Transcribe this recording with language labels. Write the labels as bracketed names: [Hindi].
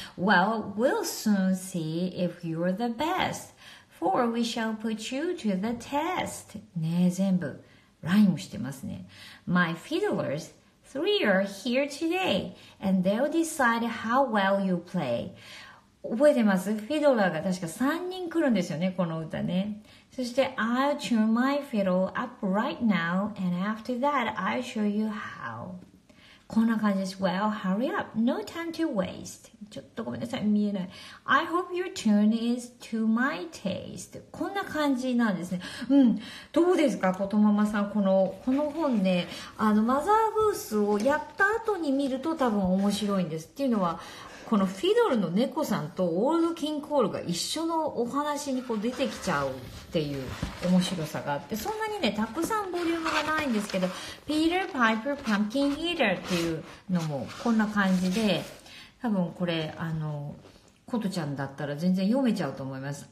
[English] Well, we'll soon see if you're the best, for we shall put you to the test. [Japanese] ね、全部ライムしてますね。 [English] My fiddlers, three are here today, and they'll decide how well you play. [Japanese] 覚えてます？フィドラーが確か3人来るんですよね、この歌ね。そして [English] I'll tune my fiddle up right now and after that I'll show you how. [Japanese] こんな感じです。 [English] Well, hurry up. No time to waste. [Japanese] ちょっとごめんなさい。見えない。 [English] I hope your tune is to my taste. [Japanese] こんな感じなんですね。うん。どうですか、ことママさん。この本ね、あの、マザーグースをやった後に見ると多分面白いんです。っていうのは、このフィドルの猫さんとオールドキンコールが一緒のお話にこう出てきちゃうっていう面白さがあって、そんなにねたくさんボリュームがないんですけど、ピーターパイプパンキンヒーターっていうのもこんな感じで、多分これあのコトちゃんだったら全然読めちゃうと思います。